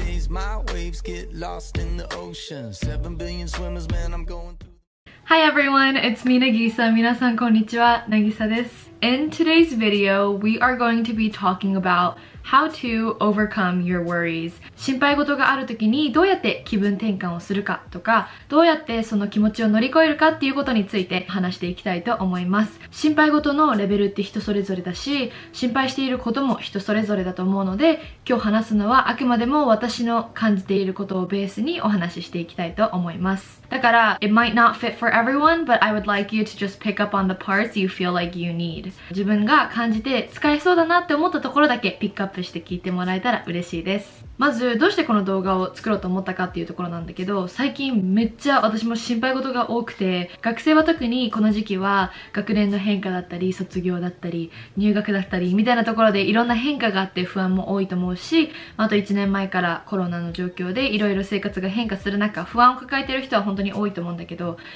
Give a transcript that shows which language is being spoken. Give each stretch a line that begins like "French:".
English: my waves get lost in the ocean. 7 billion swimmers, man, I'm going through. Hi everyone, it's me, Nagisa.
Japanese: 皆さんこんにちは、Nagisa です。
English: In today's video, we are going to be talking about how to overcome your worries.
Japanese: 心配事があるときにどうやって気分転換をするかとか、どうやってその気持ちを乗り越えるかっていうことについて話していきたいと思います。心配事のレベルって人それぞれだし、心配していることも人それぞれだと思うので、今日話すのはあくまでも私の感じていることをベースにお話ししていきたいと思います。だから、
English: It might not fit for everyone, but I would like you to just pick up on the parts you feel like you need.
Japanese: 自分が感じて使えそうだなって思ったところだけピックアップして聞いてもらえたら嬉しいです。まず、どうしてこの動画を作ろうと思ったかっていうところなんだけど、最近めっちゃ私も心配事が多くて、学生は特にこの時期は学年の変化だったり、卒業だったり、入学だったり、みたいなところでいろんな変化があって不安も多いと思うし、あと1年前からコロナの状況でいろいろ生活が変化する中、不安を抱えてる人は本当に多いと思うんだけど、